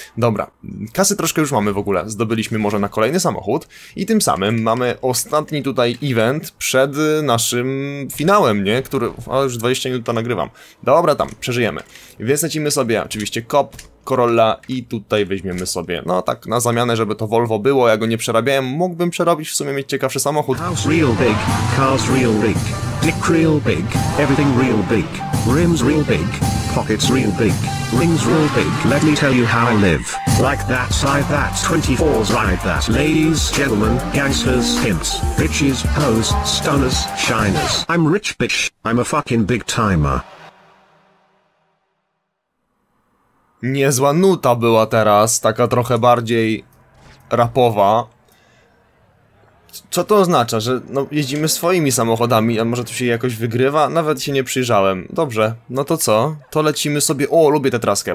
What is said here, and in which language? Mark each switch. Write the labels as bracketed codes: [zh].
[pl] Dobra, kasy troszkę już mamy w ogóle, zdobyliśmy może na kolejny samochód i tym samym mamy ostatni tutaj event przed naszym finałem, nie? Który, a już 20 minut to nagrywam. Dobra, tam, przeżyjemy. Więc lecimy sobie oczywiście Cop, Corolla i tutaj weźmiemy sobie, no tak na zamianę, żeby to Volvo było, ja go nie przerabiałem, mógłbym przerobić, w sumie mieć ciekawszy samochód. [en] Cars real big. Dick real big, everything real big, rims real big, pockets real big, rings real big, let me tell you how I live, like that, side that, 24s ride that, ladies, gentlemen, gangsters, pimps, bitches, hoes, stoners, shiners, I'm rich bitch, I'm a fucking big timer. [pl] Niezła nuta była teraz, taka trochę bardziej rapowa. Co to oznacza, że no, jeździmy swoimi samochodami, a może tu się jakoś wygrywa? Nawet się nie przyjrzałem. Dobrze, no to co? To lecimy sobie... O, lubię tę traskę.